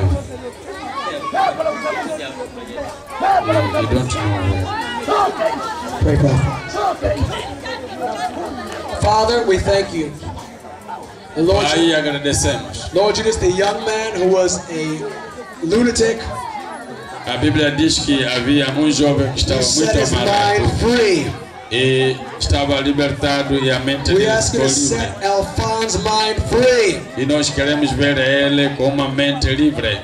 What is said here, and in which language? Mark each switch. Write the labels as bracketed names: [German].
[English] He don't know well. Pray, Father. Father, we thank you. And Lord, ah, yeah, Lord Jesus, the young man who was a lunatic, [Portuguese] a Bible diz que havia jovem que estava muito amarrado e estava libertado e a mente dele. [English] We ask you to set Alphonse's mind free. [Portuguese] E nós queremos ver ele com uma mente livre.